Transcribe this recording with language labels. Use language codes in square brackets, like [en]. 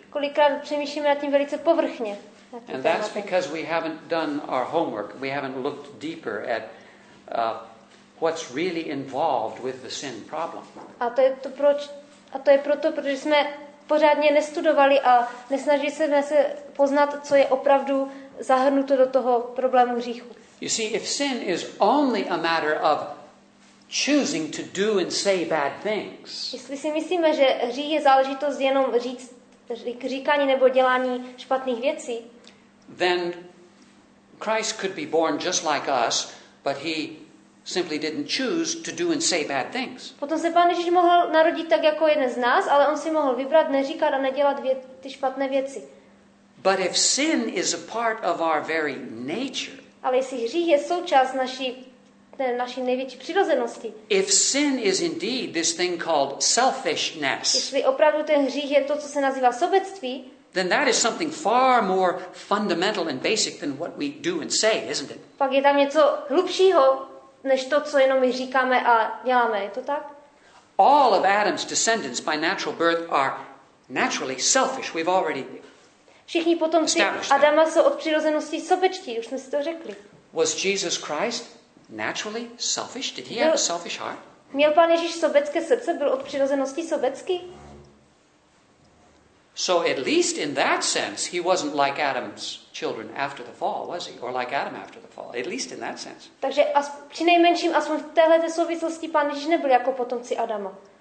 [cs] Kolikrát přemýšlíme nad tím velice povrchně. [en] And that's because we haven't done our homework. We haven't looked deeper at what's really involved with the sin problem. [cs] A to je proto, protože jsme pořádně nestudovali a nesnažili jsme se poznat, co je opravdu zahrnuto do toho problému hříchu. [en] You see, if sin is only a matter of choosing to do and say bad things. [cs] Jestli si myslíme, že hřích je záležitost jenom říkání nebo dělání špatných věcí, [en] then Christ could be born just like us, but he simply didn't choose to do and say bad things. [cs] Potom se Pán Ježíš mohl narodit tak jako jeden z nás, ale on si mohl vybrat neříkat a nedělat ty špatné věci. [en] But if sin is a part of our very nature. [cs] Ale jestli hřích je součást naší největší přirozenosti. [en] If sin is indeed this thing called selfishness. [cs] Jestli opravdu ten hřích je to, co se nazývá sobectví, [en] then that is something far more fundamental and basic than what we do and say, isn't it? [cs] Pak je tam něco hlubšího než to, co jenom my říkáme a děláme, je to tak? [en] All of Adam's descendants by natural birth are naturally selfish. We've already [cs] Všichni potomci Adama jsou od přirozenosti sobečtí, už jsme si to řekli. [en] Was Jesus Christ naturally selfish? Did he have a selfish heart? [cs] Měl Pán Ježíš sobecké srdce? Byl od přirozenosti sobecký? [en] So at least in that sense, he wasn't like Adam's children after the fall, was he? Or like Adam after the fall, at least in that sense. [cs] Takže při nejmenším aspoň v téhleté souvislosti Pán Ježíš nebyl jako potomci Adama.